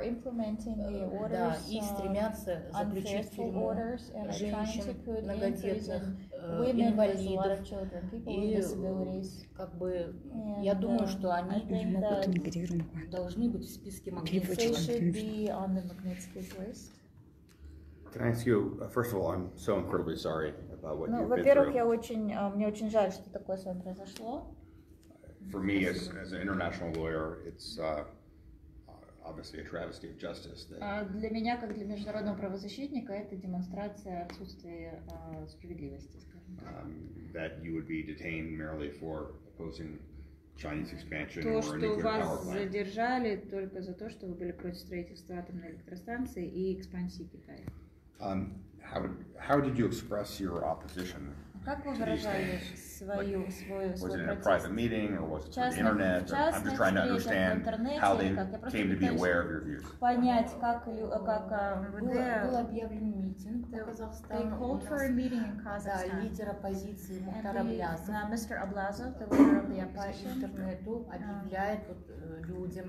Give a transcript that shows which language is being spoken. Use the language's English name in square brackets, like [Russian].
[Russian] и стремятся заключить в тюрьму женщин, многодетных, инвалидов, и как бы, я думаю, что они должны быть в списке Магнитского. [English] Can I ask you, first of all, I'm so incredibly sorry about what you've been through. [Russian] Во-первых, мне очень жаль, что такое с вами произошло. [English] For me, as an international lawyer, it's obviously a travesty of justice. [Russian] Для меня, как для международного правозащитника, это демонстрация отсутствия справедливости, скажем так. [English] That you would be detained merely for opposing Chinese expansion. [Russian] То, что вас задержали только за то, что вы были против строительства атомной электростанции и экспансии Китая. [English] How did you express your opposition? [Russian] Как вы выражали свою свою [English] Was it in a private meeting or was it through the internet? I'm just trying to understand how they came to be aware of your views. [Russian] Понять, как был объявлен митинг в Казахстане. [English] They called for a meeting in Kazakhstan. [Russian] Да, лидер оппозиции Мухтар Аблязов. [English] Mr. Аблязов, the leader of the opposition, [Russian] по интернету объявляет людям,